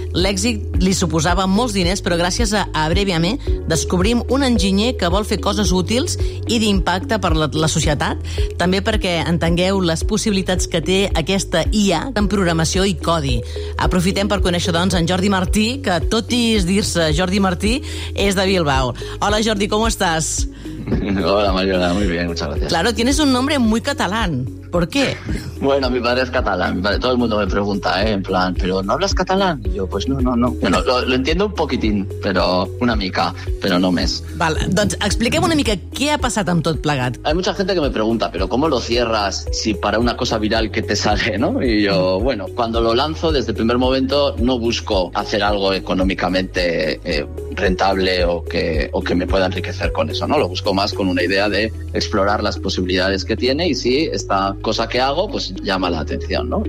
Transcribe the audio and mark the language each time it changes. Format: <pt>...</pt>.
<ca>L'èxit li suposava molts diners, però gràcies a Abreviame descobrim un enginyer que vol fer coses útils i d'impacte per la societat, també perquè entengueu les possibilitats que té aquesta IA en programació i codi. Aprofitem per conèixer, doncs, en Jordi Martí, que tot i dir-se Jordi Martí, és de Bilbao. Hola, Jordi, com estàs?</ca> <es>Hola, Mariola, muy bien, muchas gracias. Claro, tienes un nombre muy catalán. ¿Por qué? Bueno, mi padre es catalán. Todo el mundo me pregunta, ¿eh? En plan, ¿pero no hablas catalán? Y yo, pues no. Bueno, lo entiendo un poquitín, pero</es> <ca>una mica,</ca> <es>pero</es> <ca>no més. Vale, doncs expliquem una mica què ha passat amb tot plegat.</ca> <es>Hay mucha gente que me pregunta, ¿pero cómo lo cierras si para una cosa viral que te sale, no? Y yo, bueno, cuando lo lanzo, desde el primer momento, no busco hacer algo económicamente rentable o que me pueda enriquecer con eso, ¿no? Lo busco más con una idea de explorar las posibilidades que tiene y si esta cosa que hago pues llama la atención, ¿no?</es>